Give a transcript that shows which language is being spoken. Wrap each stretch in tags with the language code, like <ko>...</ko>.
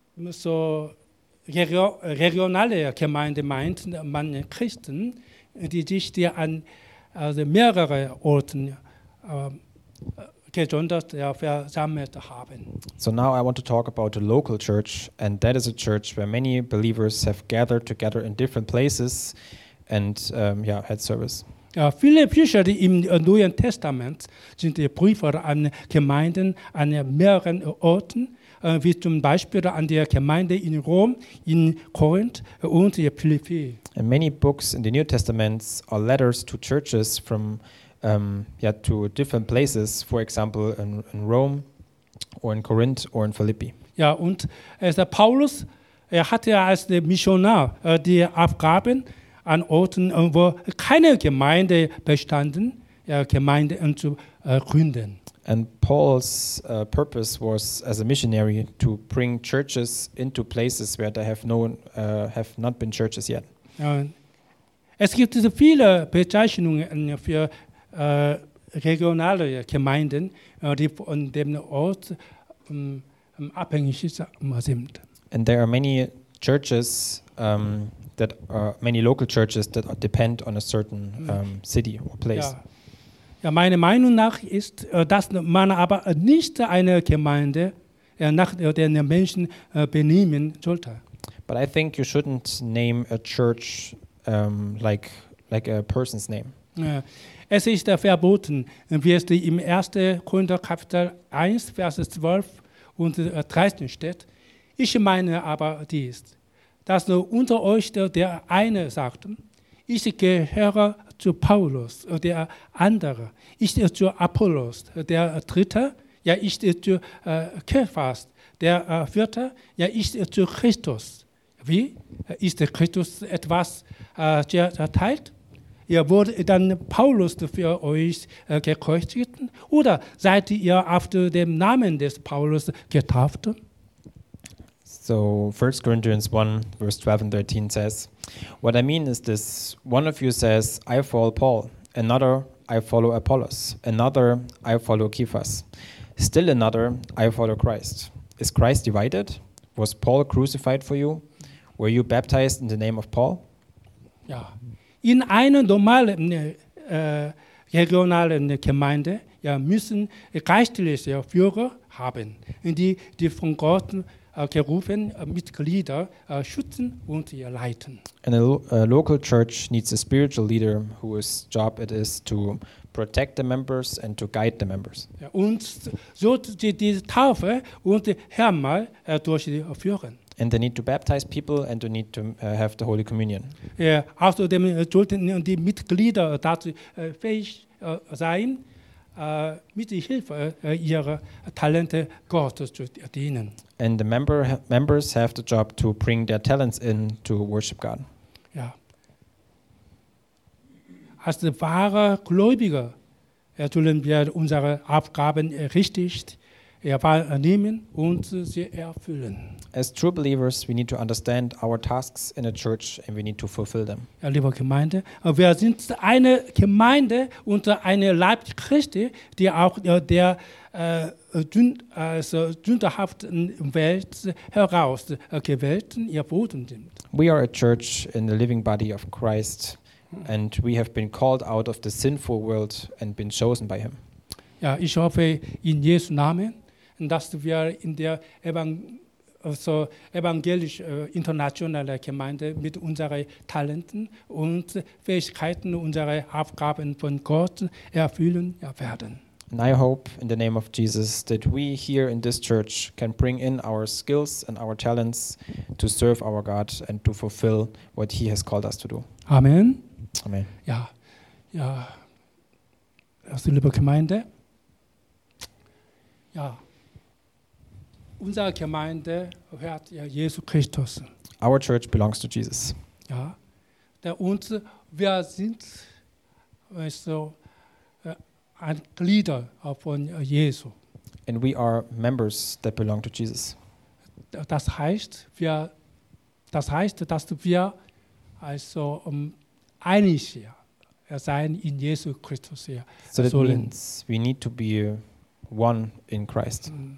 <de>So regionale Gemeinde meint man Christen, die sich an mehrere Orten gesondert versammelt haben.</de> <en>So now I want to talk about the local church, and that is a church where many believers have gathered together in different places and had service.</en> <de>Ja, viele Bücher im Neuen Testament sind Briefe an Gemeinden an mehreren Orten, wie zum Beispiel an der Gemeinde in Rom, in Korinth und in Philippi.</de> <en>And many books in the New Testament are letters to churches from to different places, for example in Rome or in Corinth or in Philippi.</en> <de>Ja, und Paulus Er hatte als Missionar die Aufgaben an Orten, wo keine Gemeinde bestanden, Gemeinde zu gründen.</de> <en>And Paul's purpose was as a missionary to bring churches into places where they have no have not been churches yet.</en> <de>Es gibt viele Bezeichnungen für regionale Gemeinden, die von dem Ort abhängig sind.</de> <en>And there are many churches that are many local churches that depend on a certain city or place.</en> <de>Ja, meine Meinung nach ist, dass man aber nicht eine Gemeinde nach den Menschen benennen sollte.</de> <en>But I think you shouldn't name a church like a person's name.</en> <de>Es ist verboten, wie es im 1. Korinther Kapitel 1, Vers 12 und 13 steht. Ich meine aber dies, dass unter euch der eine sagt, ich gehöre zu Paulus, der andere, ich zu Apollos, der dritte, ja, ich zu Kephas, der vierte, ja, ich zu Christus. Wie? Ist Christus etwas erteilt? Ihr wurde dann Paulus für euch gekreuzigt? Oder seid ihr auf dem Namen des Paulus getauft?</de> <en>So 1 Corinthians 1, verse 12 and 13 says, what I mean is this, one of you says, I follow Paul, another, I follow Apollos, another, I follow Kephas, still another, I follow Christ. Is Christ divided? Was Paul crucified for you? Were you baptized in the name of Paul?</en> <de>Ja. In einer normalen regionalen Gemeinde müssen geistliche Führer haben, die von Gott gerufen, Mitglieder schützen und leiten.</de> <en>And a local church needs a spiritual leader whose job it is to protect the members and to guide the members.</en> <de>Und so die Taufe und Herrmal durchführen.</de> <en>And they need to baptize people and they need to have the Holy Communion.</en> <de>Außerdem sollten die Mitglieder dazu fähig sein, mit der Hilfe ihrer Talente Gott zu dienen.</de> <en>And the members have the job to bring their talents in to worship God.</en> <de>Ja. Als wahre Gläubiger sollen wir unsere Aufgaben richtig wahrnehmen und sie erfüllen.</de> <en>As true believers, we need to understand our tasks in a church and we need to fulfill them.</en> <de>Ja, liebe Gemeinde, wir sind eine Gemeinde und eine Leib Christi, die auch der sündhaften Welt heraus gewählt wurden.</de> <en>We are a church in the living body of Christ and we have been called out of the sinful world and been chosen by him.</en> <de>Ja, ich hoffe in Jesu Namen, dass wir in der evangelisch internationale Gemeinde mit unseren Talenten und Fähigkeiten, unsere Aufgaben von Gott erfüllen werden.</de> <en>And I hope in the name of Jesus that we here in this church can bring in our skills and our talents to serve our God and to fulfill what he has called us to do. Amen. Amen.</en> <de>Ja, ja. Also, liebe Gemeinde, ja. Unsere Gemeinde gehört Jesus Christus.</de> <en>Our church belongs to Jesus.</en> <de>Ja, und wir sind also ein Glieder von Jesus.</de> <en>And we are members that belong to Jesus.</en> <de>Das heißt, dass wir also einig sein in Jesus Christus hier.</de> <en>So that means we need to be one in Christ.</en>